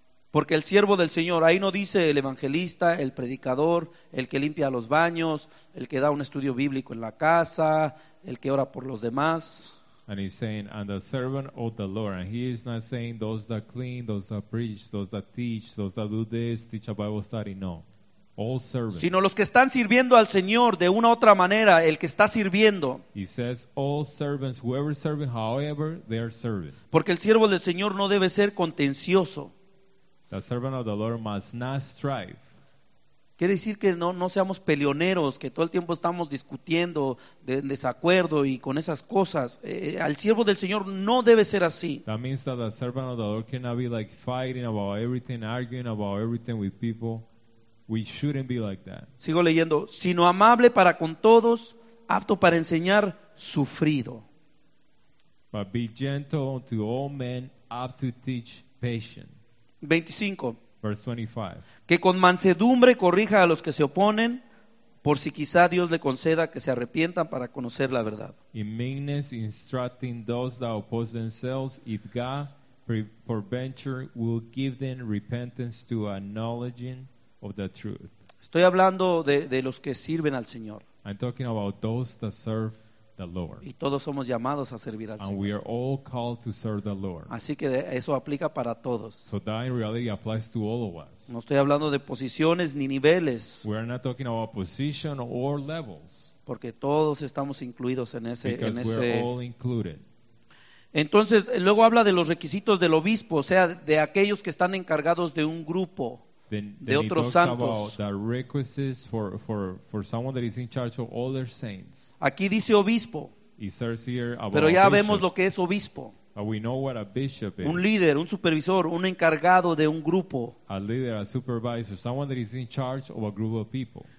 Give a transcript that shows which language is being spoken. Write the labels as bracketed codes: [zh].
[es] Porque el siervo del Señor, ahí no dice el evangelista, el predicador, el que limpia los baños, el que da un estudio bíblico en la casa, el que ora por los demás. [en] And he's saying, and the servant of the Lord, and he is not saying those that clean, those that preach, those that teach, those that do this, teach a Bible study, no. All servants. [es] Sino los que están sirviendo al Señor de una u otra manera, el que está sirviendo. [en] He says, all servants, whoever is serving, however they are serving. [es] Porque el siervo del Señor no debe ser contencioso. [en] The servant of the Lord must not strive. [es] Quiere decir que no seamos peleoneros, que todo el tiempo estamos discutiendo, en desacuerdo y con esas cosas. Al siervo del Señor no debe ser así. [en] That means that the servant of the Lord cannot be like fighting about everything, arguing about everything with people. We shouldn't be like that. [es] Sigo leyendo, sino amable para con todos, apto para enseñar, sufrido. [en] But be gentle unto all men, apto to teach, patient. [es] 25. [en] Verse 25. [es] Que con mansedumbre corrija a los que se oponen, por si quizá Dios le conceda que se arrepientan para conocer la verdad. [en] In meekness instructing those that oppose themselves, if God peradventure will give them repentance to acknowledging of the truth. [es] Estoy hablando de los que sirven al Señor. [en] I'm talking about those that serve the Lord. [es] Y todos somos llamados a servir al Señor. [en] And we are all called to serve the Lord. [es] Así que eso aplica para todos. [en] So that in reality applies to all of us. [es] No estoy hablando de posiciones ni niveles. [en] We are not talking about position or levels. [es] Porque todos estamos incluidos en ese. [en] Because we're all included. [es] Entonces, luego habla de los requisitos del obispo, o sea, de aquellos que están encargados de un grupo. [en] Then [es] de otros santos. [en] The requisites for someone that is in charge of all their saints. [es] Aquí dice obispo. [en] It says here about [es] pero ya a vemos lo que es obispo. [en] We know what a bishop is. [es] Un líder, un supervisor, un encargado de un grupo. [en] A leader, a supervisor, someone that is in charge of a group of people.